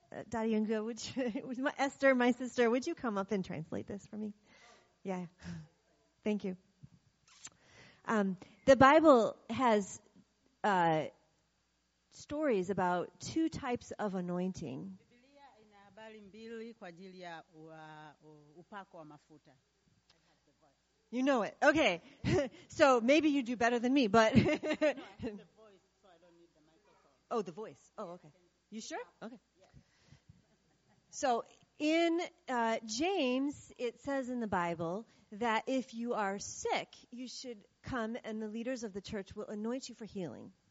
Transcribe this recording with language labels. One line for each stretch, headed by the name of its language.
English: Dadiyungu, Esther, my sister, would you come up and translate this for me? Yeah. Thank you. The Bible has stories about two types of anointing.
Swahili: Biblia ina habari mbili kwa ajili ya upako wa mafuta.
English: You know it. Okay. So maybe you do better than me, but no, I have the voice, so I don't need the microphone. Oh, the voice. Oh, okay. You sure? Okay. Yes. So in James, it says in the Bible that if you are sick, you should come and the leaders of the church will anoint you for healing.